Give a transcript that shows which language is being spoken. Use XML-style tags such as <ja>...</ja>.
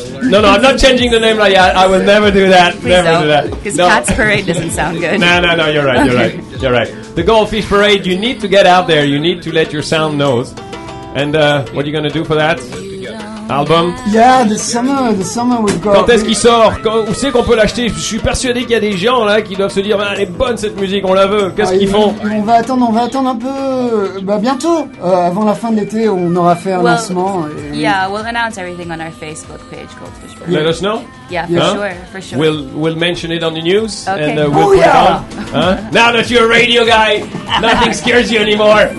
<en>No, no, I'm not changing the name like that. I will never do that. Please never don't. Do that. Because no. Cats Parade doesn't sound good. No, no, no, you're right, you're right. You're right. The Goldfish Parade, you need to get out there. You need to let your sound know. And what are you going to do for that? Album? Yeah, the summer we've got.</en> <fr>Quand est-ce qu'il sort? Où c'est qu'on peut l'acheter? Je suis persuadé qu'il y a des gens là qui doivent se dire, ah, elle est bonne cette musique, on la veut. Qu'est-ce qu'ils font? On va attendre un peu. Bah bientôt, avant la fin de l'été, on aura fait un lancement.</fr> <en>We'll announce everything on our Facebook page, Goldfish. Let us know. Yeah, sure. We'll mention it on the news. Okay. And, we'll put it on. Now that you're a radio guy, nothing scares you anymore.</en>